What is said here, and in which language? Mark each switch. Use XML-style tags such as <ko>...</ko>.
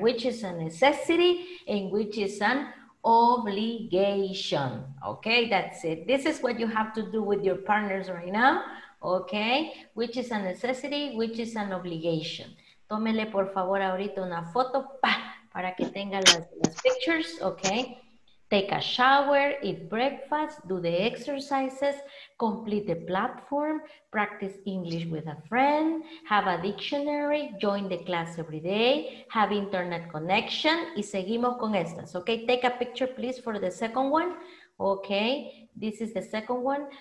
<en>Which is a necessity and which is an obligation. Okay, that's it. This is what you have to do with your partners right now. Okay, which is a necessity, which is an obligation.</en> <es>Tómele, por favor, ahorita una foto para que tenga las pictures, okay?</es> <en>Take a shower, eat breakfast, do the exercises, complete the platform, practice English with a friend, have a dictionary, join the class every day, have internet connection,</en> <es>y seguimos con estas.</es> <en>Okay, take a picture, please, for the second one. Okay, this is the second one.</en>